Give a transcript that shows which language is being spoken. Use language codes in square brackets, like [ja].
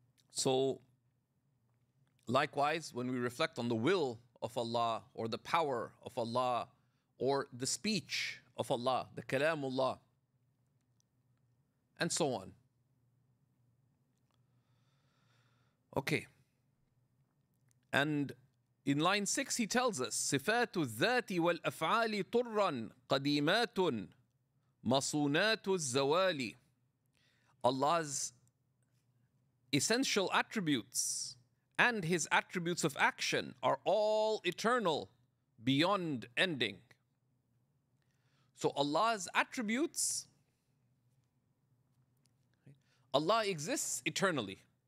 [en] So, likewise, when we reflect on the will of Allah, or the power of Allah, or the speech of Allah, the kalamullah, and so on. Okay. And in line 6, he tells us, [ar] صفات الذات والأفعال طرا قديمات مصونات الزوال. [en] Allah's essential attributes and His attributes of action are all eternal, beyond ending. So Allah's attributes, Allah exists eternally.